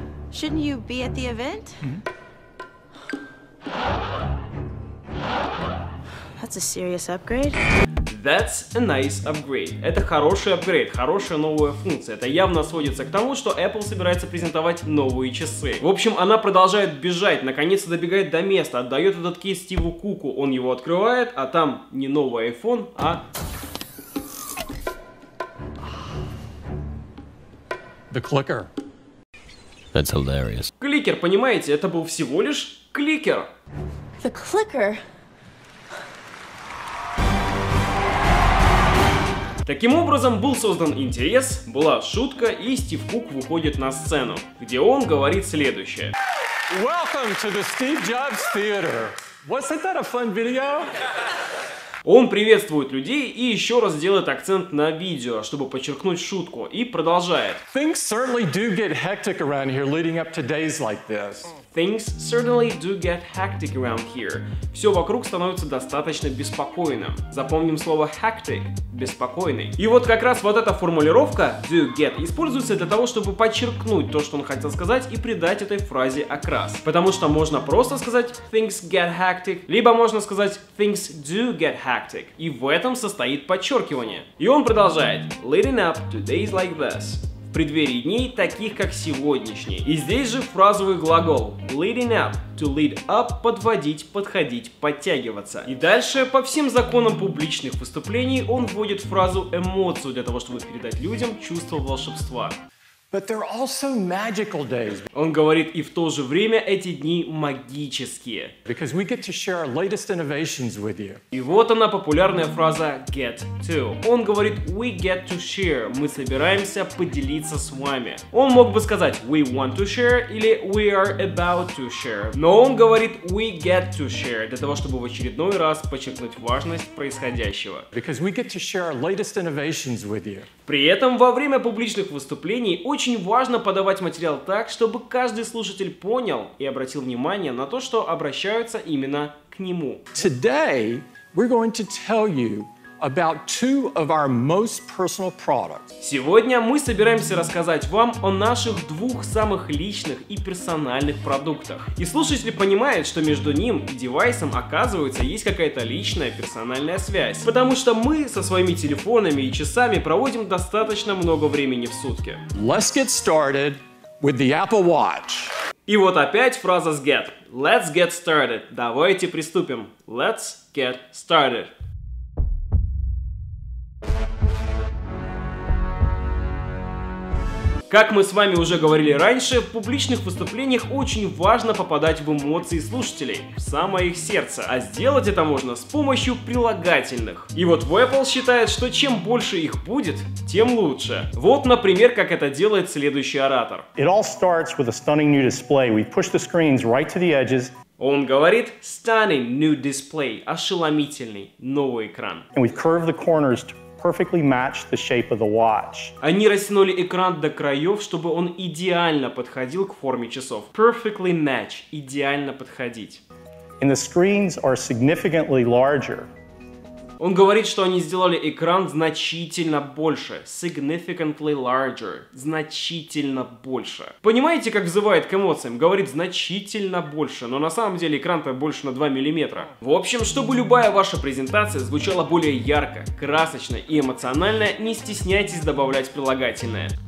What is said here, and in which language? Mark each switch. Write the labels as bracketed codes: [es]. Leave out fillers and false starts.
[en] Shouldn't you be at the event? That's a serious upgrade. That's a nice upgrade. [ru] Это хороший апгрейд, хорошая новая функция. Это явно сводится к тому, что Apple собирается презентовать новые часы. В общем, она продолжает бежать, наконец-то добегает до места, отдает этот кейс Стиву Куку. Он его открывает, а там не новый iPhone, а... [en] The clicker. That's hilarious. [ru] Кликер, понимаете, это был всего лишь кликер. [en] The clicker. [ru] Таким образом, был создан интерес, была шутка, и Стив Кук выходит на сцену, где он говорит следующее. [en] Welcome to the Steve Jobs Theater. Wasn't that a fun video? [ru] Он приветствует людей и еще раз делает акцент на видео, чтобы подчеркнуть шутку, и продолжает. [en] Things certainly do get hectic around here leading up to days like this. Things certainly do get hectic around here. [ru] Все вокруг становится достаточно беспокойным. Запомним слово hectic – беспокойный. И вот как раз вот эта формулировка do get используется для того, чтобы подчеркнуть то, что он хотел сказать, и придать этой фразе окрас. Потому что можно просто сказать [en] things get hectic, [ru] либо можно сказать [en] things do get hectic. [ru] И в этом состоит подчеркивание. И он продолжает. [en] Leading up to days like this. [ru] В преддверии дней, таких как сегодняшний. И здесь же фразовый глагол leading up, [en] to lead up, [ru] подводить, подходить, подтягиваться. И дальше, по всем законам публичных выступлений, он вводит фразу эмоцию для того, чтобы передать людям чувство волшебства. [en] But there are also magical days. [ru] Он говорит, и в то же время эти дни магические. [en] Because we get to share our latest innovations with you. [ru] И вот она популярная фраза get to. Он говорит, [en] we get to share, [ru] мы собираемся поделиться с вами. Он мог бы сказать [en] we want to share [ru] или [en] we are about to share. [ru] Но он говорит [en] we get to share [ru] для того, чтобы в очередной раз подчеркнуть важность происходящего. Because we get to share our latest innovations with you. При этом во время публичных выступлений очень важно подавать материал так, чтобы каждый слушатель понял и обратил внимание на то, что обращаются именно к нему. [en] Today we're going to tell you about two of our most personal products. [ru] Сегодня мы собираемся рассказать вам о наших двух самых личных и персональных продуктах. И слушатель понимает, что между ним и девайсом, оказывается, есть какая-то личная персональная связь. Потому что мы со своими телефонами и часами проводим достаточно много времени в сутки. [en] Let's get started with the Apple Watch. [ru] И вот опять фраза с get. [en] Let's get started. [ru] Давайте приступим. [en] Let's get started. [ru] Как мы с вами уже говорили раньше, в публичных выступлениях очень важно попадать в эмоции слушателей, в самое их сердце. А сделать это можно с помощью прилагательных. И вот Apple считает, что чем больше их будет, тем лучше. Вот, например, как это делает следующий оратор. [en] It all starts with a stunning new display. We push the screens right to the edges. [ru] Он говорит [en] stunning new display, [ru] ошеломительный новый экран. [en] And we curve the corners to perfectly match the shape of the watch. [ru] Они растянули экран до краев, чтобы он идеально подходил к форме часов. [en] Perfectly match, [ru] идеально подходить. [en] And the screens are significantly larger. [ru] Он говорит, что они сделали экран значительно больше. [en] Significantly larger. [ru] Значительно больше. Понимаете, как взывает к эмоциям? Говорит значительно больше. Но на самом деле экран-то больше на 2 мм. В общем, чтобы любая ваша презентация звучала более ярко, красочно и эмоционально, не стесняйтесь добавлять прилагательное.